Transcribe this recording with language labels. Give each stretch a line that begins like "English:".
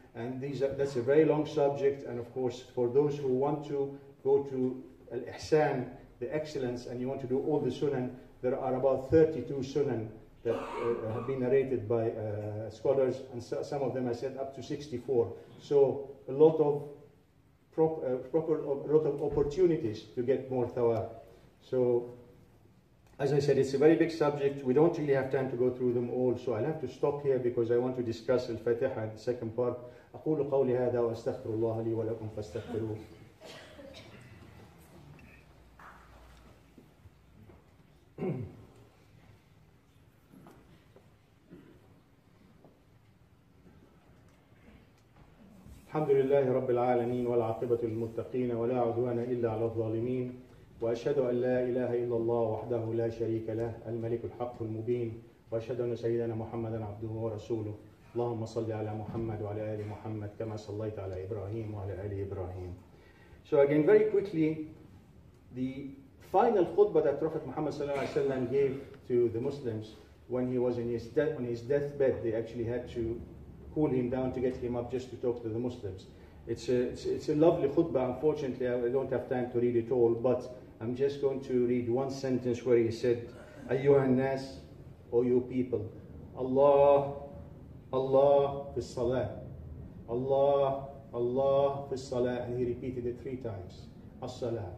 English: And that's a very long subject. And of course, for those who want to go to al-ihsan, the excellence, and you want to do all the sunan, there are about 32 sunan that have been narrated by scholars, and some of them I said up to 64. So a lot of proper opportunities to get more thawab. So as I said, it's a very big subject. We don't really have time to go through them all. So I'll have to stop here because I want to discuss al-Fatiha, the second part.
Arabic: أقول قولي هذا واستغفر الله لي ولكم فاستغفروه. الحمد لله رب العالمين والعاقبة للمتقين ولا عدوان إلا على الظالمين وأشهد أن لا إله إلا الله وحده لا شريك له الملك الحق المبين وأشهد أن سيدنا محمدا عبده ورسوله اللهم صل على محمد وعلى آل محمد كما صليت على إبراهيم وعلى آل إبراهيم.
English: So again, very quickly, the final khutbah that Prophet Muhammad sallallahu alaihi wasallam gave to the Muslims when he was in his deathbed, they actually had to cool him down to get him up just to talk to the Muslims. It's a lovely khutbah. Unfortunately, I don't have time to read it all, but I'm just going to read one sentence where he said, "Ayyuha an-nas, O you people, Allah, Allah fi salah, Allah, Allah fi salah," and he repeated it three times. As-salah.